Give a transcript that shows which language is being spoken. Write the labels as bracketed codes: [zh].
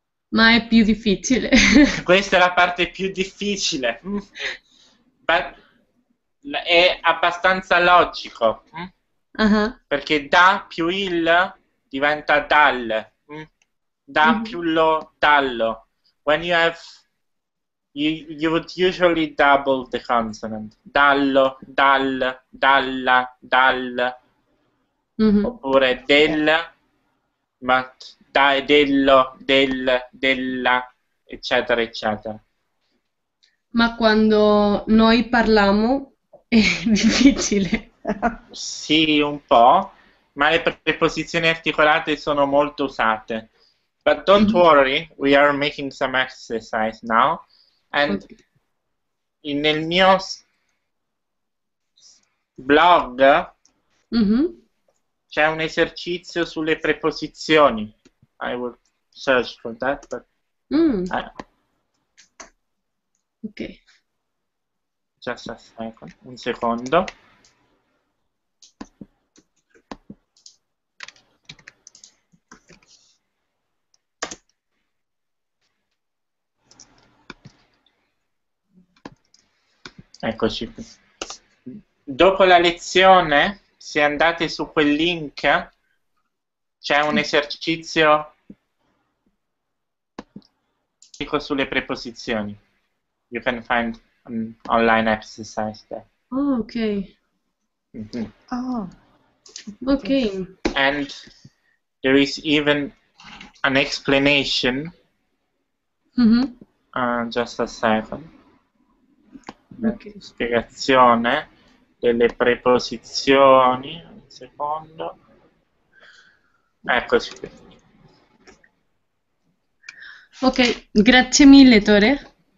[it] Ma è più difficile. Questa è la parte più difficile. È abbastanza logico. Uh-huh. Perché da più il diventa dal. Da mm-hmm. più lo, dallo. [en] When you have... You would usually double the consonant. [it] Dallo, dal, dalla, dal. Mm-hmm. Oppure del, yeah. Ma dai, dello, del, della, eccetera, eccetera. Ma quando noi parliamo è difficile. Sì, un po'. Ma le preposizioni articolate sono molto usate. [en] But don't worry, we are making some exercise now. And okay. [it] In nel mio blog mm-hmm. c'è un esercizio sulle preposizioni. [en] I will search for that. But Ok. Just a second. [it] Un secondo. Eccoci qui. Dopo la lezione, se andate su quel link, c'è un esercizio sulle preposizioni. [en] You can find an online exercise there. Oh, okay. Mm-hmm. Oh, okay. And there is even an explanation. Mm-hmm. Just a second. Okay. [it] Spiegazione delle preposizioni, un secondo, eccoci qui. Ok, grazie mille Tore.